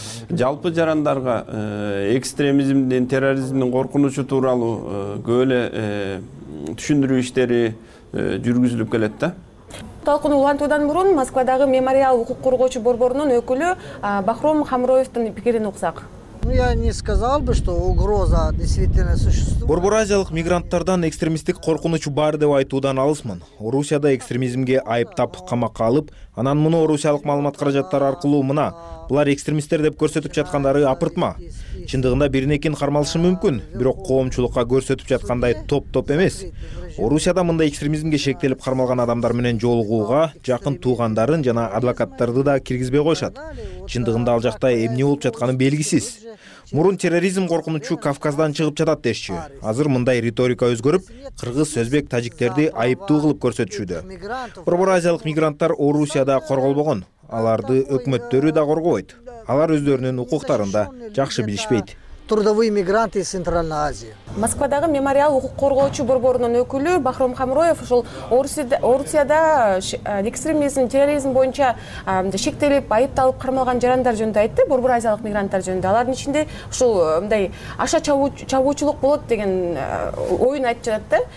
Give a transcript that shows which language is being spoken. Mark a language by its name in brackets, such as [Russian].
[Kyrgyz] Жалпы жарандарга экстремизмдин, терроризмдин коркунучу тууралуу көп эле түшүндүрүү иштери жүргүзүлүп келет да. Талкууну улантуудан мурун Москвадагы мемориал укук коргоочу борборунун өкүлү Бахром Хамроевдин пикирин уксак. [Russian] Я не сказал бы, что угроза действительно существует. [Kyrgyz] Борбор азиялык мигранттардан экстремисттик коркунуч бар деп айтуудан алысмын. Орусияда экстремизмге айыптап камакка алып, анан муну орусиялык маалымат каражаттары аркылуу мына Булар экстремисттер деп көрсөтүп жаткандары апыртма. Чындыгында бирин экен кармалышы мүмкүн, бирок коомчулукка көрсөтүп жаткандай топ-топ эмес. Орусияда мындай экстремизмге шектелип кармалган адамдар менен жолугууга жакын туугандарын жана адвокаттарды да киргизбей коюшат. Чындыгында ал жакта эмне болуп жатканы белгисиз. Мурун терроризм коркунучу Кавказдан чыгып жатат дешчи. Азыр мындай риторика өзгөрүп, кыргыз, өзбек, тажиктерди айыптуу кылып көрсөтүшүдө. Борбор азиялык мигранттар Орусияда корголбогон. Аларды өкмөттөрү да коргойт. Алар өздөрүнүн укуктарын да жакшы билишпейт. [Russian] Трудовые мигранты из Центральной Азии. [Kyrgyz] Москвадагы мемориал укук коргоочу борборунун өкүлү Бахром Хамроев ушул Орусияда экстремизм, терроризм боюнча шектелип айыпталып кармалган жарандар жөнүндө айтты. Борбор азиялык мигранттар жөнүндө алардын ичинде ушул мындай аша чабуучулук болот деген оюн айтып жатат да.